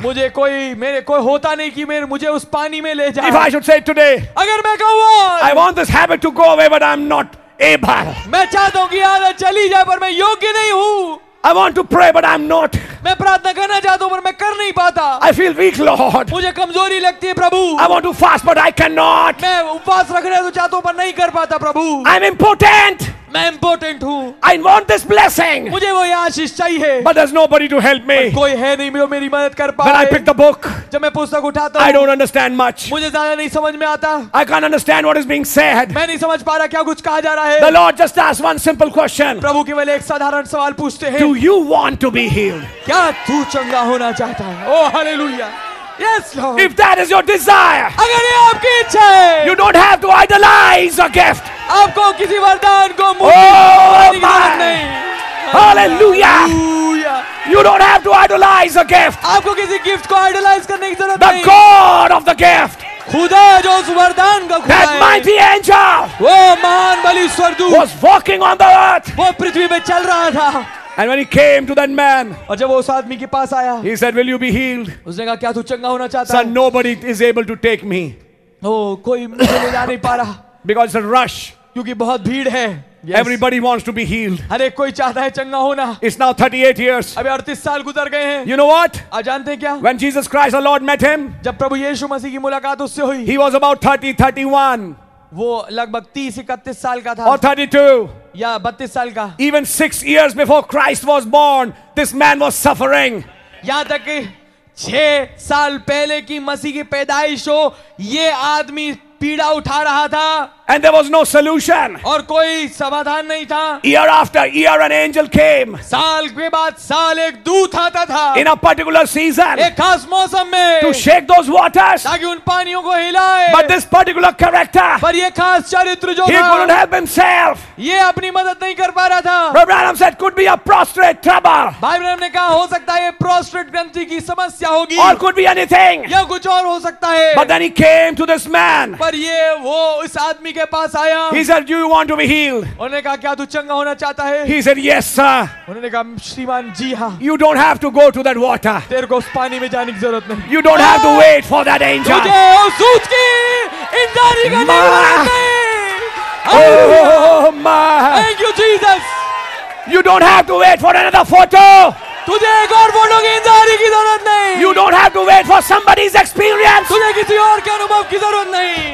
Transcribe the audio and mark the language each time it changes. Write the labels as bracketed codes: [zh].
[hi] मुझे कोई मेरे कोई होता नहीं कि मेरे मुझे उस पानी में ले जाए. [en] If I should say today. [hi] अगर मैं कहूँ. [en] I want this habit to go away, but I'm not able. [hi] मैं चाहता हूँ कि आदत चली जाए, पर मैं योग्य नहीं हूँ. [en] I want to pray, but I'm not. [hi] मैं प्रार्थना करना चाहता हूँ, पर मैं कर नहीं पाता. [en] I feel weak, Lord. [hi] मुझे कमजोरी लगती है, प्रभु. [en] I want to fast, but I cannot. [hi] मैं उपवास रखना तो चाहता हूँ, पर नहीं कर पाता, प्रभु. [en] I'm important. [hi] मैं important हूँ. [en] I want this blessing. [hi] मुझे वो आशीष चाहिए. [en] But there's nobody to help me. [hi] कोई है नहीं जो मेरी मदद कर पाए. [en] When I pick the book, [hi] जब मैं पुस्तक उठाता हूँ, [en] I don't understand much. [hi] मुझे ज़्यादा नहीं समझ में आता. [en] I can't understand what is being said. [hi] मैं नहीं समझ पा रहा क्या कुछ कहा जा रहा है. [en] The Lord just asked one simple question. [hi] प्रभु केवल एक साधारण सवाल पूछते हैं. [en] Do you want to be healed? [hi] क्या तू चंगा होना चाहता है? [en] Oh hallelujah. Yes, Lord. If that is your desire, [hi] अगर ये आपकी इच्छा है, [en] you don't have to idolize a gift. [hi] आपको किसी वरदान को मूर्ति बनाने की नहीं. [en] Hallelujah. Hallelujah. You don't have to idolize a gift. [hi] आपको किसी गिफ्ट को idolize करने की जरूरत [en] नहीं. The God of the gift. [hi] खुदा जो उस वरदान का खुदा है. [en] That mighty angel. [hi] वो महान बलि स्वर्गदूत. [en] Was walking on the earth. [hi] वो पृथ्वी पे चल रहा था. [en] And when he came to that man, [hi] और जब वो उस आदमी के पास आया, [en] he said, "Will you be healed?" [hi] उसने कहा, क्या तू चंगा होना चाहता? [en] Sir, nobody is able to take me. [hi] Oh, कोई मुझे ले जा नहीं पा रहा. [en] Because it's a rush. [hi] क्योंकि बहुत भीड़ है. [en] Yes. Everybody wants to be healed. [hi] हर एक कोई चाहता है चंगा होना. [en] It's now 38 years. [hi] अभी 38 साल गुजर गए हैं. [en] You know what? [hi] आ जानते क्या? [en] When Jesus Christ, the Lord, met him, [hi] जब प्रभु यीशु मसीह की मुलाकात उससे हुई, [en] he was about 30-31. [hi] वो लगभग 30-31 साल का था. [en] Or 32. [hi] या 32 साल का. [en] Even 6 years before Christ was born, this man was suffering. [hi] यहाँ तक कि 6 साल पहले की मसीह की पैदाइश हो, ये आदमी पीड़ा उठा रहा था. [en] And there was no solution. [hi] और कोई समाधान नहीं था. [en] Year after year, an angel came. [hi] साल के बाद साल एक दूत आता था. [en] In a particular season. [hi] एक खास मौसम में. [en] To shake those waters. [hi] ताकि उन पानियों को हिलाए. [en] But this particular character. [hi] पर ये खास चरित्र जो [en] था. He couldn't help himself. [hi] ये अपनी मदद नहीं कर पा रहा था. [en] Brother Branham said, could be a prostrate trouble. [hi] भाई ब्रैनम ने कहा, हो सकता है ये prostrate ग्रंथि की समस्या होगी. [en] Or could be anything. [hi] या कुछ और हो सकता है. [en] But then he came to this man. [hi] पर ये वो इस आदमी के पास आया. [en] He said, "Do you want to be healed?" [hi] उन्होंने कहा, क्या तू चंगा होना चाहता है? [en] He said, "Yes, sir." [hi] उन्होंने कहा, श्रीमान जी हाँ. [en] You don't have to go to that water. [hi] तेरे को उस पानी में जाने की जरूरत नहीं. [en] You don't have to wait for that angel. [hi] तुझे उस दूत की इंतजारी करने की जरूरत नहीं. [en] Oh my! Thank you, Jesus. You don't have to wait for another photo. [hi] तुझे एक और फोटो की इंतजारी की जरूरत नहीं. [en] You don't have to wait for somebody's experience. [hi] तुझे किसी और के अनुभव की जरूरत नहीं.